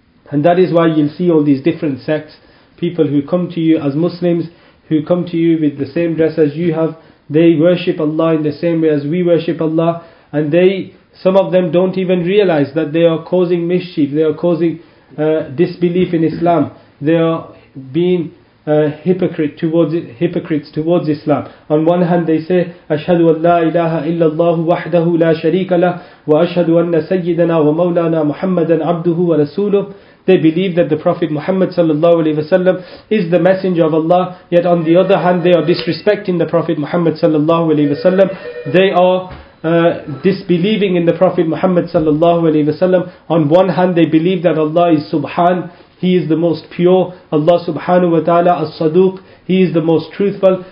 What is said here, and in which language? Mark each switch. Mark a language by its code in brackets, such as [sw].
[en] And that is why you'll see all these different sects, people who come to you as Muslims, who come to you with the same dress as you have. They worship Allah in the same way as we worship Allah, and they, some of them don't even realize that they are causing mischief, they are causing disbelief in Islam, they are being hypocrites towards Islam. On one hand they say, [ar] أَشْهَدُ أَنْ لَا إِلَهَ إِلَّا اللَّهُ وَحْدَهُ لَا شَرِيكَ لَهُ وَأَشْهَدُ أَنَّ سَيِّدَنَا وَمَوْلَانَا مُحَمَّدًا عَبْدُهُ وَرَسُولُهُ. [en] They believe that the Prophet Muhammad sallallahu alaihi wasallam is the messenger of Allah, yet on the other hand they are disrespecting the Prophet Muhammad sallallahu alaihi wasallam. They are disbelieving in the Prophet Muhammad sallallahu alaihi wasallam. On one hand they believe that Allah is Subhan, He is the most pure, Allah subhanahu wa ta'ala as-saduq, He is the most truthful.